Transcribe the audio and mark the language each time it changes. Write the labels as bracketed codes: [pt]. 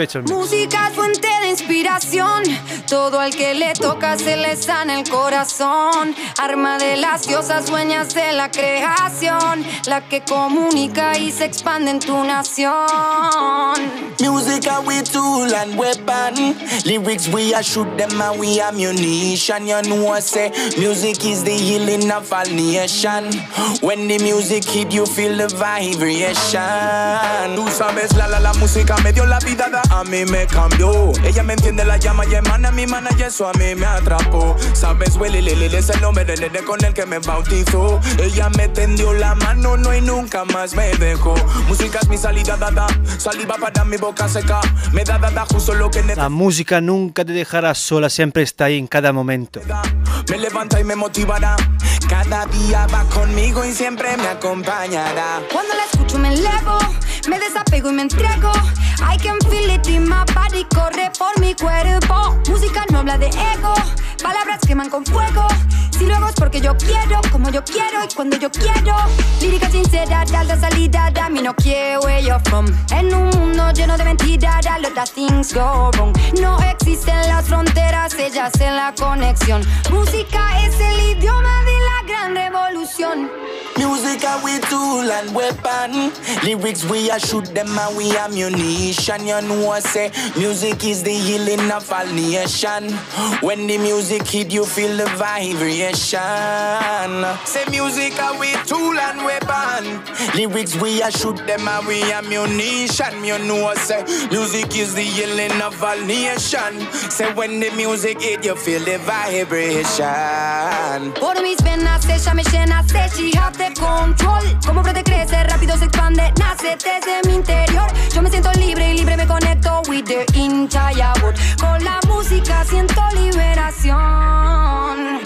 [es] Música es fuente de inspiración. Todo al que le toca se le sana el corazón. Arma de las diosas, dueñas de la creación. La que comunica y se expande en tu nación. [en] Música we tool and weapon. Lyrics we a shoot them and we ammunition. You know I say music is the healing of all nation. When the music hit you feel the vibration. [es] Tú sabes la música me dio la vida. A mí me cambió. Ella me entiende la llama y emana mi mana y eso a mí me atrapó. Sabes, Willy Lilly es el nombre del nene con el que me bautizó. Ella me tendió la mano, no y nunca más me dejó. Música es mi salida, dada. Saliva para mi boca seca. Me da, dada, justo lo que necesita. La música nunca te dejará sola, siempre está ahí en cada momento. Me levanta y me motivará. Cada día va conmigo y siempre me acompañará. Cuando la escucho me elevo, me desapego y me entrego. [en] I can feel it in my body, [es] corre por mi cuerpo. Música no habla de ego, palabras queman con fuego. Si luego es porque yo quiero, como yo quiero y cuando yo quiero. Lírica sincera, de alta salida, de a mí [en] no care where you're from. [es] En un mundo lleno de mentiras, [en] a lot of things go wrong. [es] No existen las fronteras, ellas en la conexión. Música es el idioma de la gran revolución. [en] Música we tool and weapon. Lyrics we a shoot them and we ammunition. You know I say music is the healing of all nation. When the music hit you feel the vibration. Say music we tool and weapon. Lyrics we a shoot them and we ammunition. You know I say music is the healing of all nation. Say when the music hit you feel the vibration. [es] Por mis venas ella me llena, se chihate control. Como brote crece, rápido se expande, nace desde mi interior. Yo me siento libre y libre me conecto [en] with the entire world. [es] Con la música siento liberación.